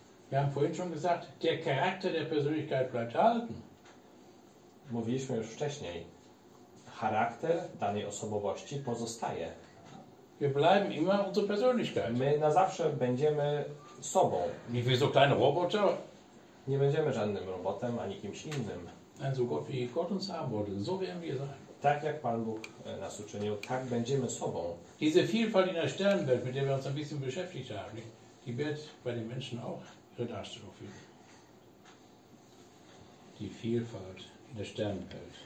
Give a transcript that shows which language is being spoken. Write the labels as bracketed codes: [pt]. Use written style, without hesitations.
[de] Wir haben vorhin schon gesagt, der Charakter der Persönlichkeit bleibt halten. [pl] Mówiliśmy już wcześniej, charakter danej osobowości pozostaje. [de] Wir bleiben immer unsere Persönlichkeit. [pl] My na zawsze będziemy sobą. [de] Nicht wie so kleine Roboter. [pl] Nie będziemy żadnym robotem, ani kimś innym. [de] Nein, so Gott wie Gott uns haben wollte, so werden wir sein. [pl] Tak jak Pan Bóg nas uczynił, tak będziemy sobą. [de] Diese Vielfalt in der Sternenwelt, mit der wir uns ein bisschen beschäftigt haben, die wird bei den Menschen auch ihre Darstellung finden. Die Vielfalt in der Sternenwelt.